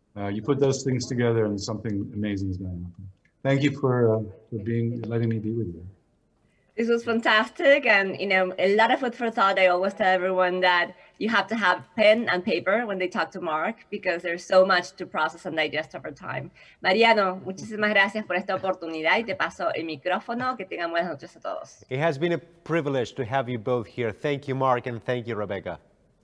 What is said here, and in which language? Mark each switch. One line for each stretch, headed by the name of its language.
English: You put those things together and something amazing is going to happen. Thank you for letting me be with you. This was fantastic and, you know, a lot of food for thought. I always tell everyone that you have to have pen and paper when they talk to Marc because there's so much to process and digest over time.
Spanish: Mariano, muchísimas gracias por esta oportunidad y te paso el micrófono. Que tengan buenas noches a todos.
English: It has been a privilege to have you both here. Thank you, Marc, and thank you, Rebecca.